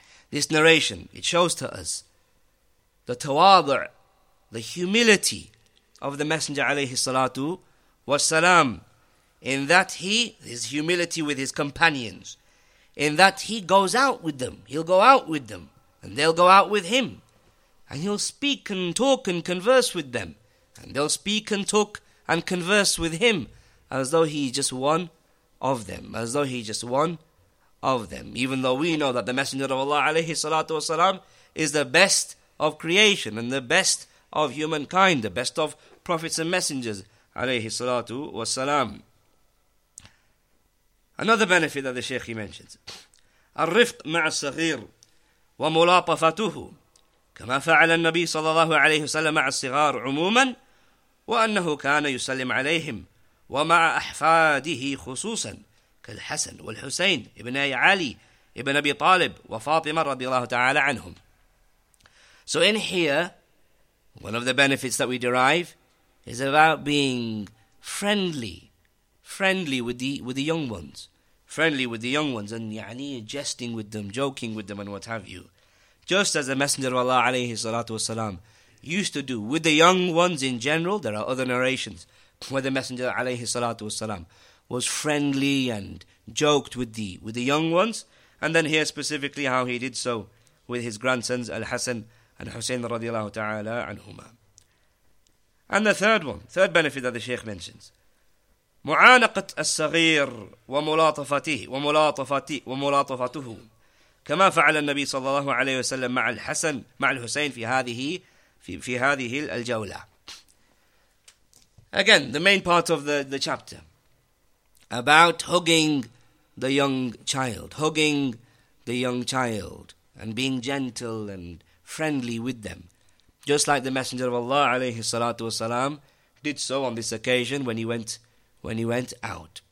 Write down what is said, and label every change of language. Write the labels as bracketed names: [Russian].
[English] This narration, it shows to us the tawadu', the humility of the Messenger alayhi salatu wasalam, in that he, his humility with his companions, in that he goes out with them, he'll go out with them, and they'll go out with him, and he'll speak and talk and converse with them, and they'll speak and talk and converse with him, as though he's just one of them, as though he's just one of them. Even though we know that the Messenger of Allah alayhi salatu wasalam is the best of creation and the best of humankind, the best of prophets and messengers alayhi salatu wasalam. [Arabic] Another benefit that the Shaykh he mentions, الرفق مع الصغير وملاطفته كما فعل النبي صلى الله عليه وسلم مع الصغار عموما وأنه كان يسلم عليهم ومع أحفاده خصوصا كالحسن والحسين ابن علي ابن أبي طالب وفاطمة رضي الله تعالى عنهم. [English] So in here, one of the benefits that we derive is about being friendly with the young ones, friendly with the young ones, and يعني jesting with them, joking with them, and what have you. Just as the Messenger of Allah عليه الصلاة والسلام used to do with the young ones in general, there are other narrations where the Messenger عليه الصلاة والسلام was friendly and joked with the young ones, and then here specifically how he did so with his grandsons Al-Hasan and Hussein رضي الله تعالى عنهما. [Arabic] And the third benefit that the Shaykh mentions, معانقة الصغير وملاطفته كما فعل النبي صلى الله عليه وسلم مع الحسن مع الحسين في هذه الجولة. [English] Again, the main part of the chapter about hugging the young child and being gentle and friendly with them, just like the Messenger of Allah alayhi salatu wasalam did so on this occasion when he went out.